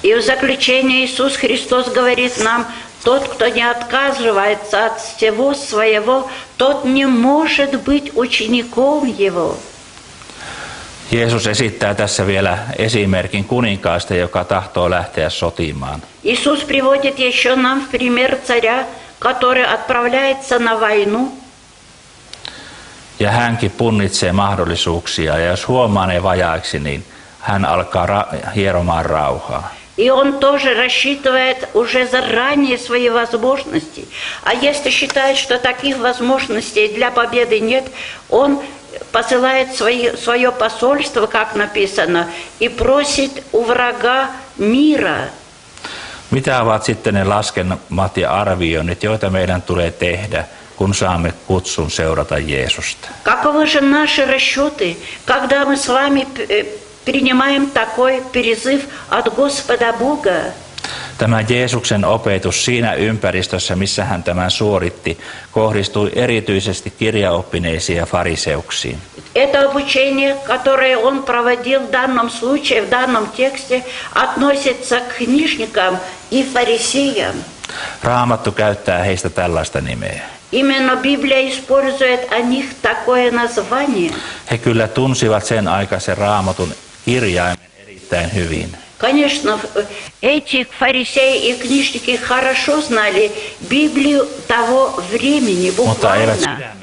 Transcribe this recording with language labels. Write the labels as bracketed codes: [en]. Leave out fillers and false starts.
[ru] И в заключение Иисус Христос говорит нам: тот, кто не отказывается от всего своего, тот не может быть учеником его. [fi] Jeesus esittää tässä vielä esimerkin kuninkaasta, joka tahtoo lähteä sotimaan. [ru] Иисус приводит ещё нам в пример царя, который отправляется на войну. [fi] Ja hänkin punnitsee mahdollisuuksia, ja jos huomaa ne vajaiksi, niin hän alkaa hieromaan rauhaa. [ru] И он тоже рассчитывает уже заранее свои возможности. А если считает, что таких возможностей для победы нет, он посылает свое посольство, как написано, и просит у врага мира. [fi] Mitä ovat sitten ne laskelmat ja arvioinnit, joita meidän tulee tehdä, kun saamme kutsun seurata Jeesusta? [ru] Каковы же наши расчеты, когда мы с вами принимаем такой призыв от Господа Бога? [fi] Tämä Jeesuksen opetus siinä ympäristössä, missä hän tämän suoritti, kohdistui erityisesti kirjaoppineisiin ja fariseuksiin. [ru] Это обучение, которое он проводил в данном случае, в данном тексте, относится к книжникам и фарисеям. [fi] Raamattu käyttää heistä tällaista nimeä. [ru] Именно Библия использует о них такое название. [fi] He kyllä tunsivat sen aikaisen Raamatun kirjaimen erittäin hyvin. [ru] Конечно, эти фарисеи и книжники хорошо знали Библию того времени, буквально.